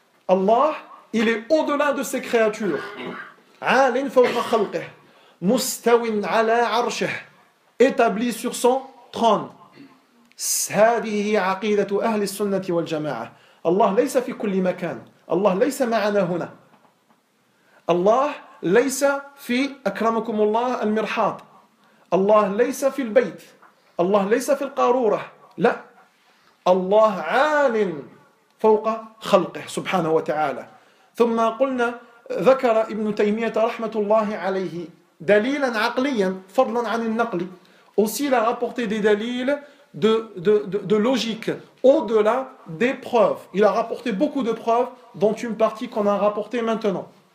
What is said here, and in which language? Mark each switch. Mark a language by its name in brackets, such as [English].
[French] الله Il est au-delà de ses créatures. [Arabic] عَالٍ فَوْقَ خَلْقِهِ مُسْتَوٍ عَلَى عَرْشِهِ [French] Établi sur son trône. [Arabic] هَذِهِ عَقِيدَةُ أَهْلِ السُنَّةِ وَالْجَمَاعَةِ Allah ليس في كل مكان. Allah ليس معنا هنا. Allah ليس في أكرمكم الله المرحاض. Allah ليس في البيت. Allah ليس في القارورة. لا. Allah عَالٍ فوق خلقه سبحانه وتعالى. ثم قلنا ذكر ابن تيمية رحمة الله عليه دليلا عقليا فضلا عن النقل. [French] Aussi il a rapporté des dalils de logique au-delà des preuves. Il a rapporté beaucoup de preuves dont une partie qu'on a rapporté maintenant.